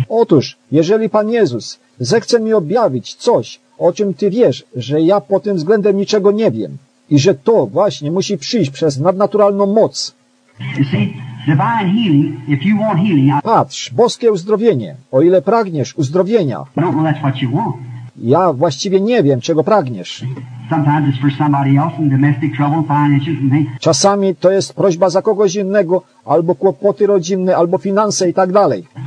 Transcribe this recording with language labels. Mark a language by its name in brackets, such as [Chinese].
[Polish] Otóż, jeżeli Pan Jezus zechce mi objawić coś, o czym ty wiesz, że ja pod tym względem niczego nie wiem i że to właśnie musi przyjść przez nadnaturalną moc. [English] You see, divine healing, if you want healing, [Polish] patrz, boskie uzdrowienie, o ile pragniesz uzdrowienia. [English] I don't know that's what you want. [Polish] Ja właściwie nie wiem, czego pragniesz. [English] Sometimes it's for somebody else, domestic trouble, finances and things. [Polish] Czasami to jest prośba za kogoś innego, albo kłopoty rodzinne, albo finanse i tak dalej.